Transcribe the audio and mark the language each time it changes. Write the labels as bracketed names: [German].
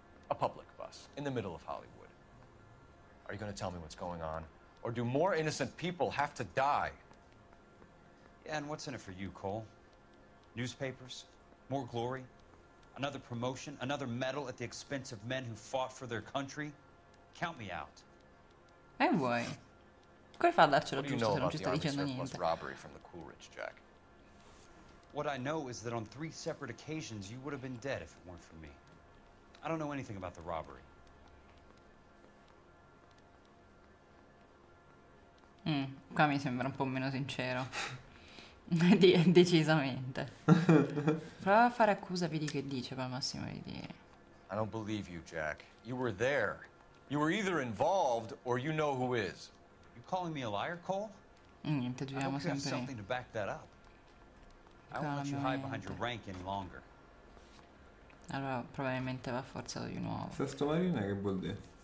[English] A public bus, in the middle of Hollywood. Are you going to tell me what's going on? Or do more innocent people have to die? Yeah, and what's in it for you, Cole? Newspapers? More glory? Another promotion? Another medal at the expense of men who fought for their country? Count me out. [Italian] E vuoi? Come fa a darcelo tutto se non ci sta dicendo niente? [English] Robbery from the Coolidge Jack. What I know is that on three separate occasions you would have been dead if it weren't for me. I don't know anything about the robbery. [Italian] Qua mi sembra un po' meno sincero. Decisamente. Prova a fare accusa, vedi che dice, poi al massimo di dire. [English] I don't believe you, Jack. You were there. You were either involved or you know who is. You calling me a liar, Cole? [Italian] Niente, giriamo sempre. I [English] have something to back that up. I won't let you hide behind your rank any longer. [Italian] Allora, probabilmente va forzato di nuovo. Sesto Marina, che vuol dire?